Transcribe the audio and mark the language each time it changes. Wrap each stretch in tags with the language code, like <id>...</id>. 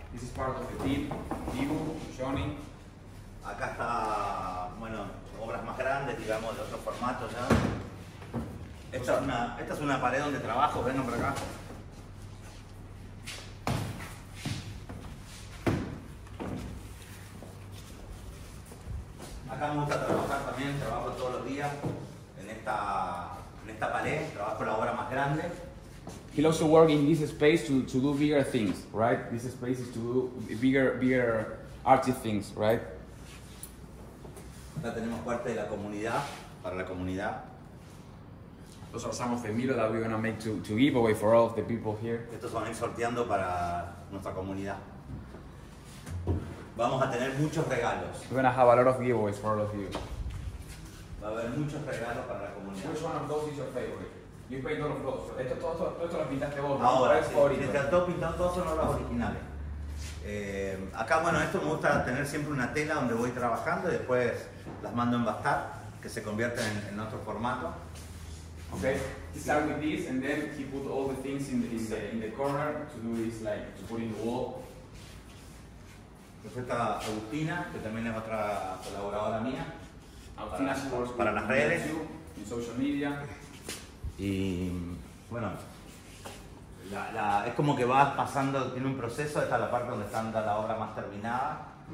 <en>This is part of the team, Dibu, Johnny.</en> <es>Acá está, bueno, obras más grandes, digamos, de otro formato ya. Esta es una pared donde trabajo, vengan por acá. Acá me gusta trabajar también, trabajo todos los días en esta pared, trabajo la obra más grande.</es> <en>He loves to work in this space to do bigger things, right? This space is to do bigger artsy things, right?</en> <es>Acá tenemos parte de la comunidad, para la comunidad.</es> <en>Those are some of the Milo that we're going to make to give away for all of the people here.</en> <es>Estos van a ir sorteando para nuestra comunidad. Vamos a tener muchos regalos.</es> <en>We're going to have a lot of giveaways for all of you.</en> <es>Va a haber muchos regalos para la comunidad.</es> <en>Which one of those is your favorite? You paint all of those.</en> <es>Esto lo pintaste vos. Ahora, si te has pintado todos son obras originales. Acá, bueno, esto me gusta tener siempre una tela donde voy trabajando y después las mando a embastar, que se convierten en otro formato.</es> <en>Okay, he started with this and then he put all the things in the corner to do this, like to put in the wall.</en> <es>Pues esta Agustina, que también es otra colaboradora mía.</es> <en>Agustina works</en> <es>para las redes, en social media. Y bueno, es como que vas pasando, tiene un proceso, esta es la parte donde está la obra más terminada.</es>